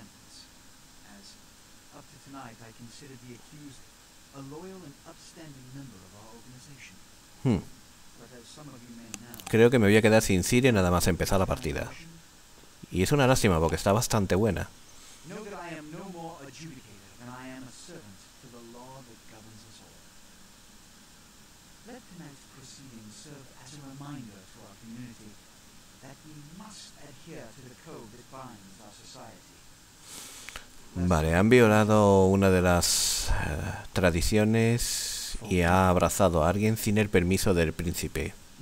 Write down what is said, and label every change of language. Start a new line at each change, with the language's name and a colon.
English: Up to tonight, I consider the accused a loyal and upstanding member of our organization. But as some of you may know,
Spanish: Creo que me voy a quedar sin Siria nada más empezar la partida. Y es una lástima porque está bastante buena.
English: know that I am no more adjudicator than I am a servant to the law that governs us all. Let tonight's proceedings serve as a reminder to our community that we must adhere to the code that binds our society.
Spanish: Vale, han violado una de las tradiciones y ha abrazado a alguien sin el permiso del príncipe.